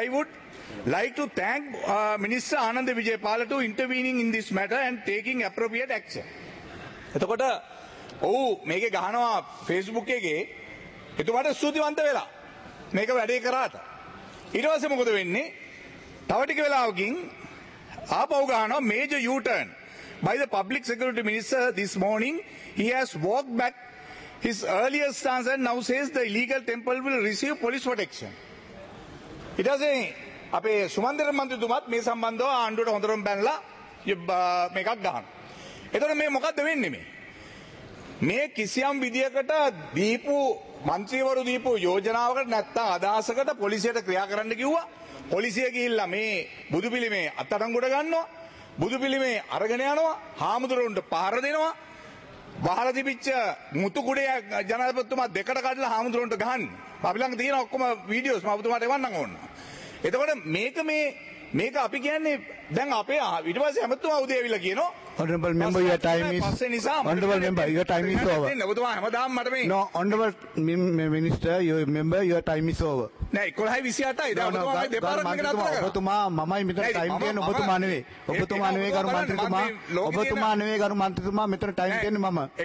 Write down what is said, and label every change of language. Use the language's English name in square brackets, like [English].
[English] I would like to thank Minister Ananda Vijayapala to intervening in this matter and taking appropriate action. [Sinhala] එතකොට ඔව් මේකේ ගහනවා Facebook එකේ. එතුමාට ස්තුතිවන්ත වෙලා මේක වැඩේ කරාට. ඊට පස්සේ මොකද වෙන්නේ? තව ටික වෙලාවකින් ආපහු ගහනවා [English] major U-turn by the public security minister this morning. He has walked back his earlier stance and now says the illegal temple will receive police protection. [Sinhala] ඊට පස්සේ අපේ සුමන්දිර මන්ත්‍රීතුමාත් මේ සම්බන්ධව ආණ්ඩුවට හොඳටම බැනලා මේකක් ගහනවා. එතකොට මේ මොකද්ද වෙන්නේ මේ? මේ කිසියම් විදියකට දීපු මන්ත්‍රීවරු දීපු යෝජනාවකට නැත්තම් අදහසකට පොලිසියට ක්‍රියා කරන්න කිව්වා. පොලිසිය ගිහිල්ලා මේ බුදු පිළිමේ අත්අඩංගුවට ගන්නවා. බුදු පිළිමේ අරගෙන යනවා. හාමුදුරුවන්ට පහර දෙනවා. වහලා තිබිච්ච මුතු කුඩය ජනාධිපතිතුමා දෙකට කඩලා හාමුදුරුවන්ට ගහන්නේ. අපි ළඟ තියෙන ඔක්කොම වීඩියෝස් මම ඔබතුමාට එවන්නම් ඕන. එතකොට මේක අපි කියන්නේ දැන් අපේ ඊට පස්සේ හැමතුමා උදේ ඇවිල්ලා කියනවා [English] honorable member your time is honorable member your time is over [Sinhala] නේ ඔබතුමා හැමදාම මට මේ [English] no honorable minister your member your time is over [Sinhala] නේ 11:28යි දැන් ඔබතුමා මේ දෙපාරක් නේද කරා ඔබතුමා මමයි මෙතන time කියන්නේ ඔබතුමා නෙවෙයි ගරු මන්ත්‍රීතුමා ඔබතුමා නෙවෙයි ගරු මන්ත්‍රීතුමා මෙතන time කියන්නේ මම